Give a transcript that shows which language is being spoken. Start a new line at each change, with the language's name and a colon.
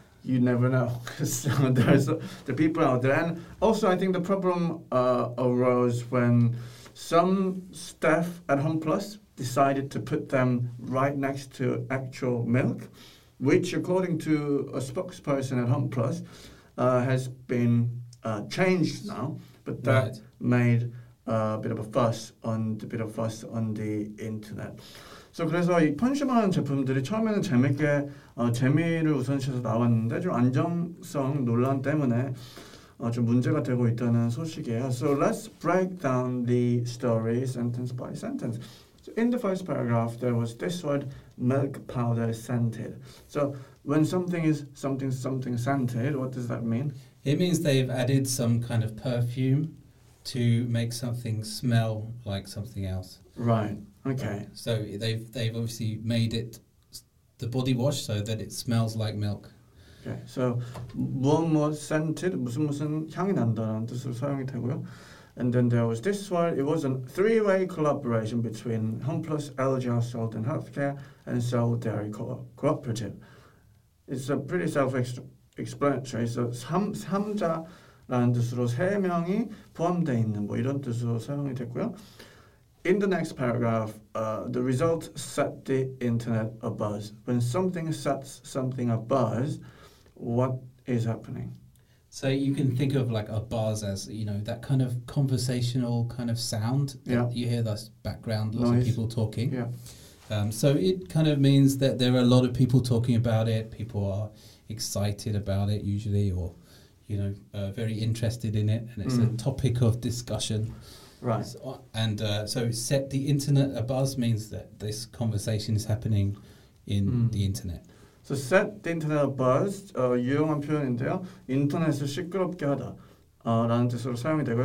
English: you never know, because there's the people out there. And also, I think the problem arose when some staff at Home Plus decided to put them right next to actual milk, which, according to a spokesperson at Home Plus, has been changed now. But that right. made a bit of a fuss on the internet.
Korean: So 그래서 이 펀슈머한 제품들이 처음에는 재밌게 재미를 우선시해서 나왔는데 좀 안정성 논란 때문에 좀 문제가 되고 있다는 소식이에요.
English: So let's break down the story sentence by sentence. So in the first paragraph, there was this word, milk powder scented. So when something is something scented, what does that mean? It means they've added some kind of perfume to make something smell like something else. Right. Okay. So they've obviously made it the body wash so that it smells like milk. Okay. So
Korean: 무언무언 scented 무슨 무슨 향이 난다라는 뜻으로 사용이 되고요.
English: And then there was this one. It was a three-way collaboration between Home Plus, LG Household and Healthcare, and Seoul Dairy Cooperative. It's a pretty self-explanatory.
Korean: So 삼자라는 뜻으로 세 명이 포함돼 있는 뭐 이런 뜻으로 사용이 됐고요.
English: In the next paragraph, the result set the internet abuzz. When something sets something abuzz, what is happening? So you can think of like a buzz as, you know, that kind of conversational kind of sound. Yeah. You hear that background, lots noise. Of people talking. Yeah. So it kind of means that there are a lot of people talking about it. People are excited about it usually or, you know, very interested in it. And it's a topic of discussion. Right. So set the internet abuzz means that this conversation is happening in the internet. So set the internet abuzz,
Korean: 유용한 표현인데요. 인터넷을 시끄럽게 하다 라는 뜻으로 사용이 되고요.